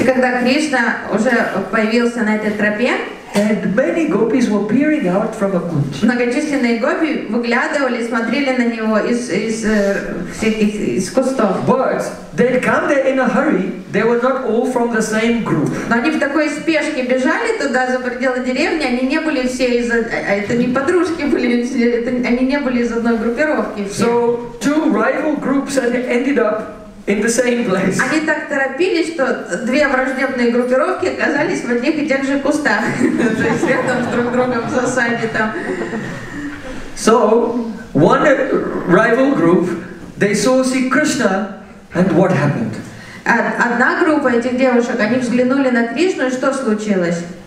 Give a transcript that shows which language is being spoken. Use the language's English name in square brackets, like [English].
[Russian] и когда Кришна уже появился на этой тропе, [English] and many gopis were peering out from a kunch. [Russian] Многочисленные гопи выглядывали, смотрели на него из кустов. [English] But they'd come there in a hurry. They were not all from the same group. [Russian] Но они в такой спешке бежали туда за пределы деревни. Они не были все из, это не подружки были, это они не были из одной группировки. [English] So two rival groups had ended up in the same place. [Russian] Они так торопились, что две враждебные группировки оказались в одних и тех же кустах, то есть рядом друг с другом в засаде там. [English] So one rival group, they saw see Krishna, and what happened? [Russian] Одна группа этих девушек, они взглянули на Кришну, и что случилось?